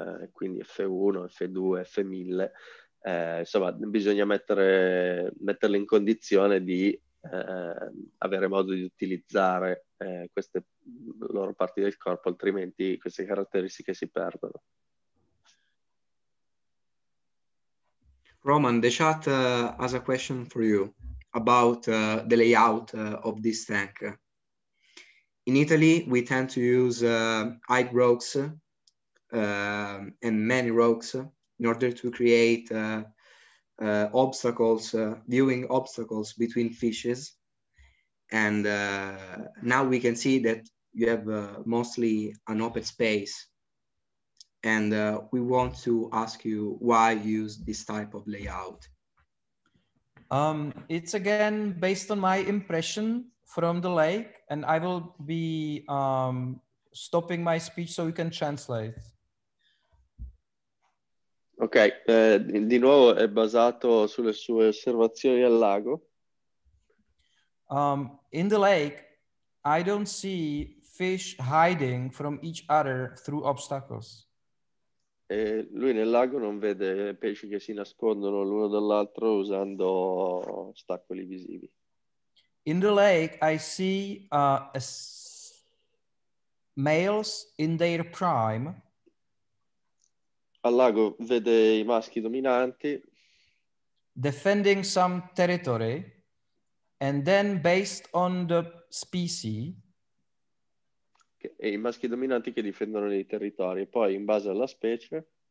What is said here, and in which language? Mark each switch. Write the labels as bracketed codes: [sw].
[it] quindi F1, F2, F1000, insomma bisogna metterle in condizione di avere modo di utilizzare queste loro parti del corpo, altrimenti queste caratteristiche si perdono. [en] Roman, the chat has a question for you about the layout of this tank. In Italy, we tend to use high rocks and many rocks in order to create obstacles, viewing obstacles between fishes. And now we can see that you have mostly an open space. And we want to ask you why you use this type of layout. It's again based on my impression from the lake, and I will be stopping my speech so we can translate. [it] Ok, di nuovo è basato sulle sue osservazioni al lago. [en] In the lake, I don't see fish hiding from each other through obstacles. [it] Lui nel lago non vede pesci che si nascondono l'uno dall'altro usando ostacoli visivi. [en] In the lake, I see males in their prime. [it] Al lago vede i maschi dominanti. [en] Defending some territory, and then based on the species. [it] E i maschi dominanti che difendono dei territori, poi in base alla specie.